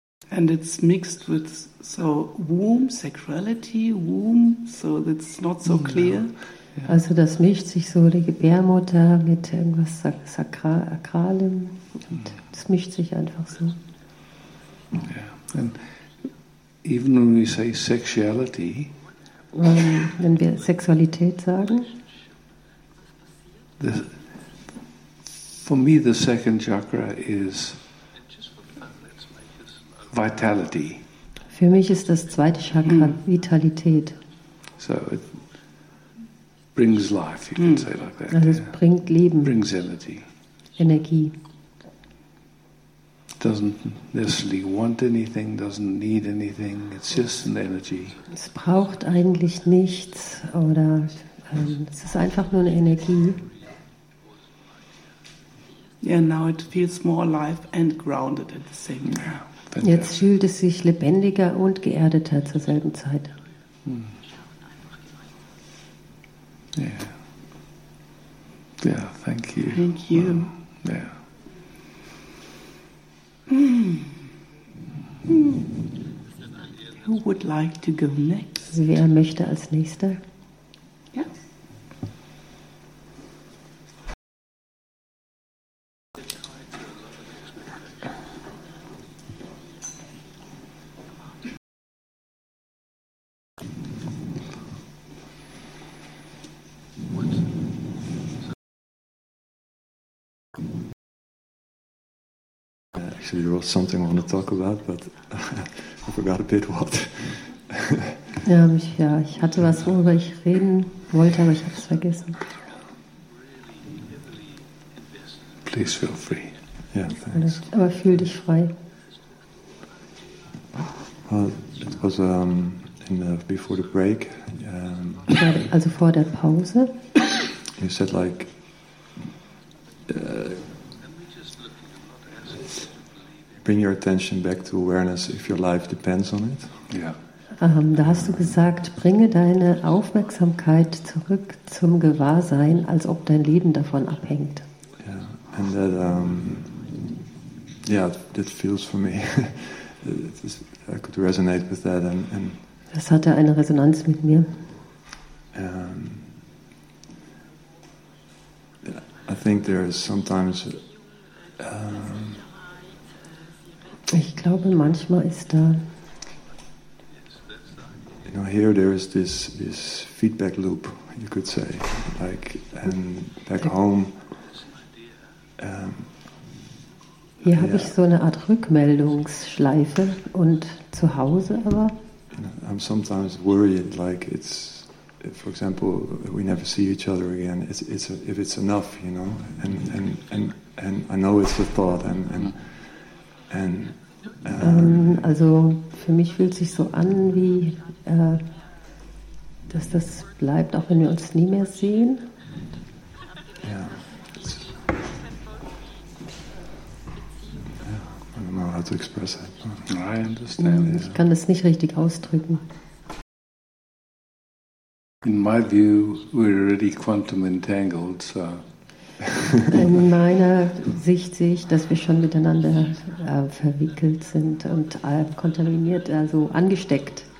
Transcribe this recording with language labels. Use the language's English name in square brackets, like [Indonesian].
[English] And it's mixed with so womb, sexuality, womb, so that's not so clear. [German] Also das mischt sich so die Gebärmutter mit irgendwas Sakralem. Das mischt sich einfach so. [English] Yeah. And even when we say sexuality. [German] Wenn wir Sexualität sagen. [English] For me, the second chakra is vitality. [German] Für mich ist das zweite Chakra Vitalität. [English] So it brings life, you could say like that. [German] Also es bringt Leben. [English] Brings energy. [German] Energie. [English] Doesn't necessarily want anything, doesn't need anything, it's just an energy. [German] Es braucht eigentlich nichts oder es ist einfach nur eine Energie. [English] Yeah, now it feels more alive and grounded at the same time. [German] Yeah, jetzt fühlt es sich lebendiger und geerdeter zur selben Zeit. [English] Yeah. Yeah, thank you. Thank you. Wow. Yeah. Who would like to go next? [German] Wer möchte als nächster? [English] Actually, there was something I want to talk about, but I forgot a bit what. [German] Ja, ich hatte was, worüber ich reden wollte, aber ich habe es vergessen. [English] Please feel free. Yeah, thanks. [German] Aber fühl dich frei. [English] Well, it was before the break. [German] Also vor der Pause. [English] You said like. Bring your attention back to awareness if your life depends on it. Yeah. [German] Da hast du gesagt, bringe deine Aufmerksamkeit zurück zum Gewahrsein, als ob dein Leben davon abhängt. [English] Yeah. And that, that feels for me. I could resonate with that. And [German] das hatte eine Resonanz mit mir. [English] I think there is sometimes. [German] Ich glaube, manchmal ist da. [English] You know, here there is this feedback loop, you could say, like and back home. [German] Hier habe ich so eine Art Rückmeldungsschleife und zu Hause aber. [English] I'm sometimes worried, like it's, for example, we never see each other again. If it's enough, you know, and I know it's a thought and. [German] Also für mich fühlt sich so an, wie dass das bleibt, auch wenn wir uns nie mehr sehen. [English] Yeah. I don't know how to express it. I understand. [German] Ich kann das nicht richtig ausdrücken. [English] In my view, we're already quantum entangled, so. [German] In meiner Sicht sehe ich, dass wir schon miteinander verwickelt sind und kontaminiert, also angesteckt.